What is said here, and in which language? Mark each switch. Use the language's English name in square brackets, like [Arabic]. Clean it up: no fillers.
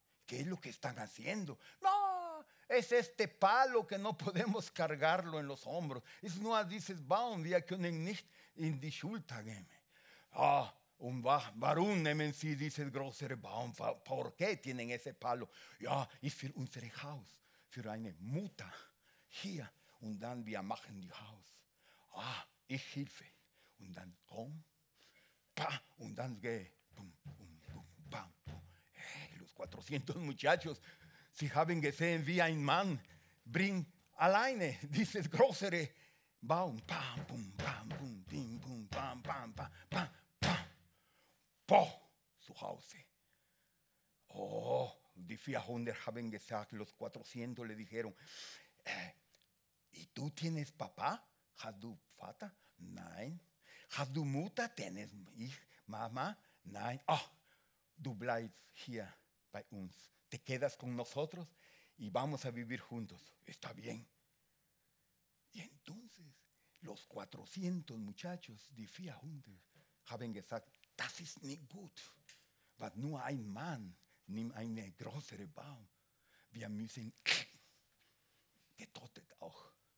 [Spanish] ¿Qué es lo que están haciendo? No, es este palo que no podemos cargarlo en los hombros. [German] Es nur dieses Baum, wir können nicht in die Schulter nehmen. Ah, und warum nehmen Sie diesen großen Baum? [Spanish] Por qué tienen ese palo? [German] Ja, ist für unser Haus, für eine Mutter hier. Und dann wir machen die Haus. Ah, ich helfe. Und dann komm, pa, und dann geh. Bum, bum, bum, bam, bum. Hey, [Spanish] los 400 muchachos, [German] sie haben gesehen, wie ein Mann bringt alleine dieses größere Baum. Bam, bum, bam, bum, bim, bum, bam, bam, bam, bam. Boah, zu Hause. Oh, die 400 haben gesagt, [Spanish] los 400 le dijeron, ¿y tú tienes papá? [German] ¿Hast du Vater? Nein. ¿Hast du Mutter? [Spanish] ¿Tienes Mama? Nein. [German] Oh, du bleibst hier bei uns. [Spanish] Te quedas con nosotros y vamos a vivir juntos. Está bien. Y entonces, los 400 muchachos, [German] die 400, haben gesagt, das ist nicht gut, weil nur ein Mann nimmt einen größeren Baum. Wir müssen getötet auch.